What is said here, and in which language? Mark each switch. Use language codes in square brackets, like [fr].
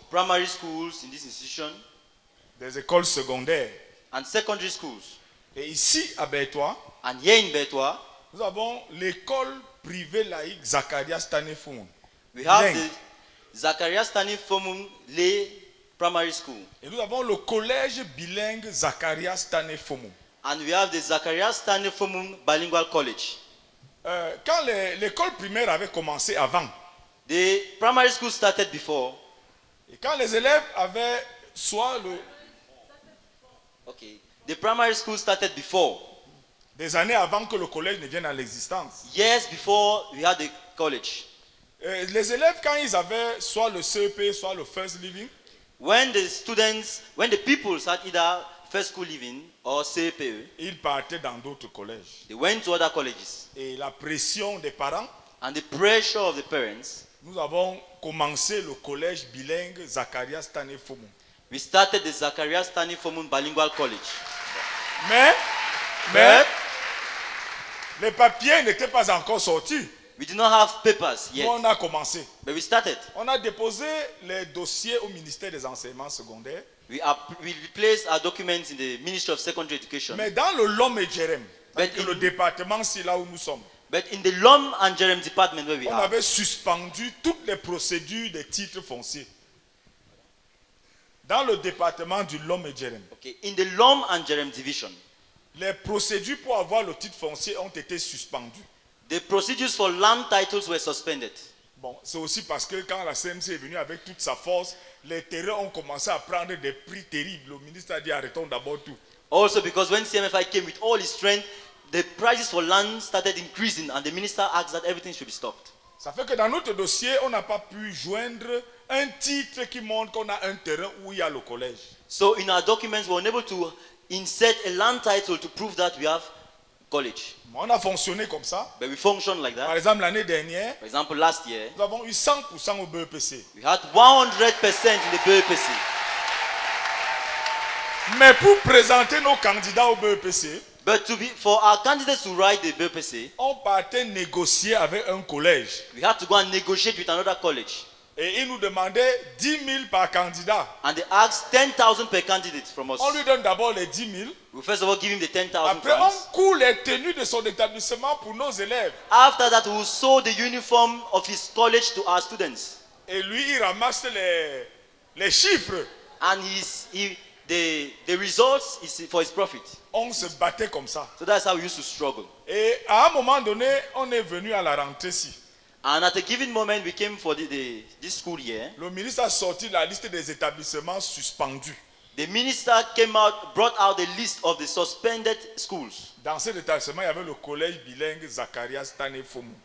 [en] Primary schools in this institution. [fr] Des écoles secondaires. [en] And secondary schools. [fr] Et ici à Bétois. [en] And here in Bétois. [fr] Nous avons l'école privée laïque Zakaria Stanley Fomon. [en] We have the Zakaria Stanley Fomon Le Primary School. [fr] Et nous avons le collège bilingue Zakaria Stanley Fomon. [en] And we have the Zakaria Stanley Fomon Bilingual College. [fr] Quand l'école primaire avait commencé avant, [en] the primary school started before. [fr] Et quand les élèves avaient soit le. [en] Okay. The primary school started before. [fr] Des années avant que le collège ne vienne à l'existence. [en] Yes, before we had the college. [fr] Les élèves quand ils avaient soit le CEP soit le first living. [en] When the students, when the people started either first school living. Or CPE, [fr] ils partaient dans d'autres collèges. [en] They went to other colleges. [fr] Et la pression des parents. [en] And the pressure of the parents. [fr] Nous avons commencé le collège bilingue Zakaria Stanley Fomon. [en] We started the Zakaria Stanley Fomon Bilingual College. [fr] Mais les papiers n'étaient pas encore sortis. [en] We did not have papers yet. [fr] On a commencé. [en] But we started. [fr] On a déposé les dossiers au ministère des Enseignements Secondaires. [en] We replaced our documents in the Ministry of Secondary Education. [fr] Mais dans le Lom et Jerem, le département c'est là où nous sommes. [en] But in the Lom and Jerem department where we are. [fr] On avait suspendu toutes les procédures des titres fonciers. Dans le département du Lom et Jerem. [en] Okay, in the Lom and Jerem division. [fr] Les procédures pour avoir le titre foncier ont été suspendues. [en] The procedures for land titles were suspended. [fr] Bon, c'est aussi parce que quand la CMC est venue avec toute sa force, les terrains ont commencé à prendre des prix terribles. Le ministre a dit arrêtons d'abord tout. [en] Also because when CMFI came with all its strength, the prices for land started increasing and the minister asked that everything should be stopped. [fr] Ça fait que dans notre dossier, on n'a pas pu joindre un titre qui montre qu'on a un terrain où il y a le collège. [en] So in our documents, we were unable to insert a land title to prove that we have college. [fr] On a fonctionné comme ça. [en] But we functioned like that. [fr] Par exemple, l'année dernière, [en] for example, last year, [fr] nous avons eu 100% au BEPC. [en] We had 100% in the BEPC. [fr] Mais pour présenter nos candidats au BEPC, [en] but to be, for our candidates to write the BEPC, [fr] on partait négocier avec un collège. [en] We had to go and negotiate with another college. [fr] Et ils nous demandaient 10 000 par candidat. [en] And they asked 10,000 per candidate from us. [fr] On lui donne d'abord les 10 000. [en] We first of all give him the 10,000. [fr] Après, on coule les tenues de son établissement pour nos élèves. [en] After that, we sew the uniform of his college to our students. [fr] Et lui, il ramasse les chiffres. [en] And the results is for his profit. [fr] On se battait comme ça. [en] So that's how we used to struggle. [fr] Et à un moment donné, on est venu à la rentrée-ci. [en] And at a given moment, we came for this school year. [fr] Le ministre a sorti la liste des établissements suspendus. [en] The minister came out, brought out the list of the suspended schools. [fr] Dans cet établissement, il y avait le collège bilingue Zakaria Stanley Fomon.